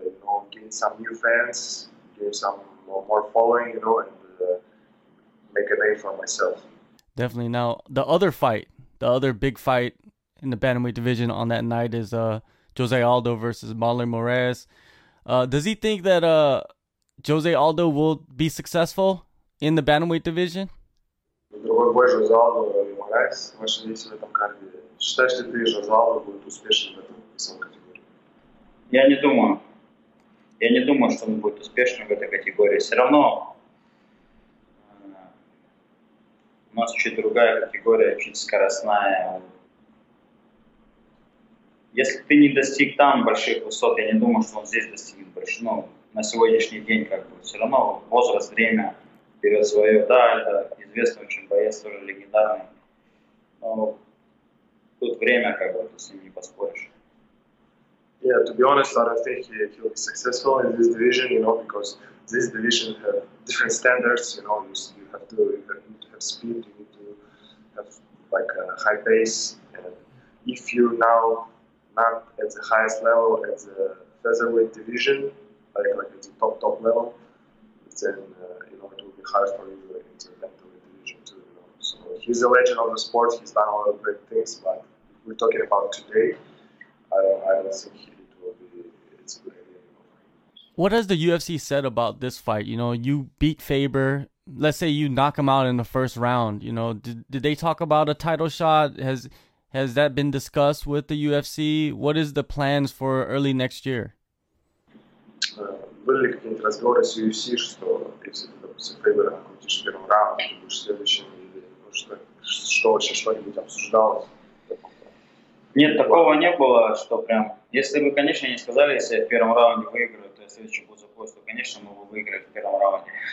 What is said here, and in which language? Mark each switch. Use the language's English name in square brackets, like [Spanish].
[English] you know, gain some new fans, gain some more following, you know, and make a name for myself. Definitely. Now, the other fight, the other big fight in the bantamweight division on that night is Jose Aldo versus Marlon Moraes. Does he think that Jose Aldo will be successful in the bantamweight division? [Russian] Другой бой Жозе Алдо и Морайс, ваше мнение в этом карте. Считаешь ли ты, что Жозе Алдо будет успешен в этом весовой категории? Я не думаю. Я не думаю, что он будет успешен в этой категории. Все равно у нас чуть другая категория, чуть скоростная. Если ты не достиг там больших высот, я не думаю, что он здесь достигнет больше. Но на сегодняшний день как бы все равно возраст, время берет свое. Да, это известный очень боец, тоже легендарный. Но тут время как бы, ты с ним не поспоришь. [English] Yeah, to be honest, I don't think he'll be successful in this division, you know, because this division have different standards, you know, you have to have speed, you need to have like a high pace. And if you now not at the highest level at the featherweight division, like at the top level, then you know it will be hard for you in the featherweight division too. You know? So he's a legend of the sport. He's done a lot of great things, but we're talking about today. I don't think it will be. It's a great idea. What has the UFC said about this fight? You know, you beat Faber. Let's say you knock him out in the first round. You know, did they talk about a title shot? Has that been discussed with the UFC? What is the plans for early next year? [Russian] Были какие-то разговоры с UFC, что если с Фейбером крутишь первым раунд, то будешь следующим, или что вообще что-нибудь обсуждалось? Нет, такого не было, что прям... Если бы, конечно, не сказали, если я в первом раунде выиграю, то я следующий буду за пояс, то, конечно, мы бы выиграли в первом раунде.